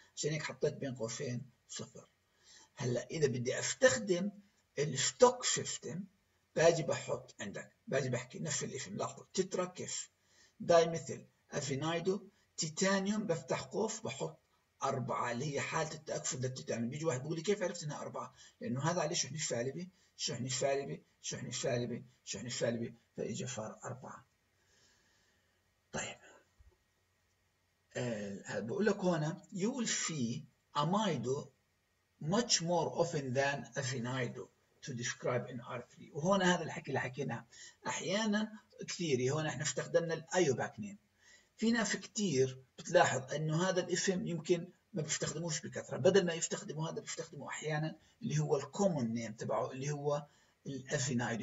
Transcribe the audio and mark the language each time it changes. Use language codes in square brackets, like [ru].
[ar] عشان هيك حطيت بين قوسين صفر. هلا إذا بدي أستخدم الستوك سيستم باجي بحط عندك باجي بحكي نفس الاسم لاحظوا تترا كيف داي مثل افينايدو تيتانيوم بفتح قوس بحط أربعة اللي هي حالة التأكسد للتيتانيوم. بيجي واحد بيقول لي كيف عرفت إنها أربعة؟ لأنه هذا عليه شحنة سالبي شحنة سالبي شحنة سالبي شحنة سالبي فإجا صار أربعة. طيب بقول لك هنا [en] you will see amido much more often than affinido to describe in R3. [ar] وهنا هذا الحكي اللي حكيناه احيانا كثير. هنا احنا استخدمنا الايوباك نيم. في ناس كثير بتلاحظ انه هذا الاسم يمكن ما بيستخدموش بكثره، بدل ما يستخدموا هذا بيستخدموا احيانا اللي هو الكومون نيم تبعه اللي هو الافينايدو.